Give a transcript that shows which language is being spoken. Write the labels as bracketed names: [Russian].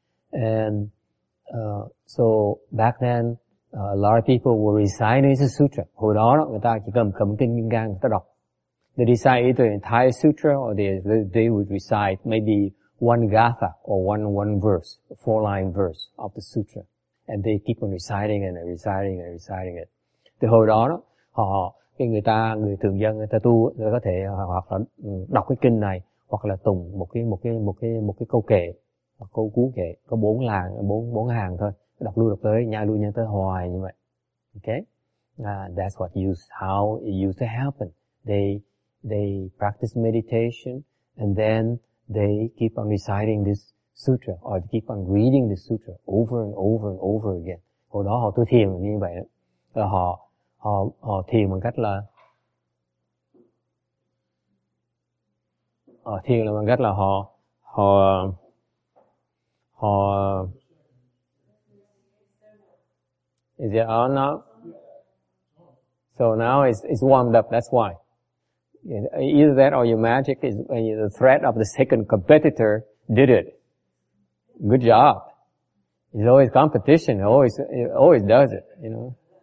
[English] And so back then, a lot of people were reciting the sutra. [Vietnamese] Hồi đó, người ta chỉ cầm kinh Kim Cang, người ta đọc. [English] They recite either the entire sutra or they would recite maybe one gatha or one verse, a four-line verse of the sutra. And they keep on reciting and reciting and reciting it. [Vietnamese] Thì hồi đó, người thường dân, người ta tu, người ta có thể hoặc là đọc cái kinh này, hoặc là tụng một cái câu kệ. Câu cú kệ có bốn làng, bốn hàng thôi, đọc lui đọc tới, nhai lui nhai tới hoài như vậy. [English] Okay, that's what how it used to happen. They practice meditation and then they keep on reciting this sutra or keep on reading this sutra over and over and over again. [Vietnamese] Hồi đó họ tu thiền như vậy đó, họ thiền bằng cách là họ [English] is it on now? So now it's warmed up, that's why. Either that or your magic is the threat of the second competitor did it. Good job. It's always competition, it always does it, you know.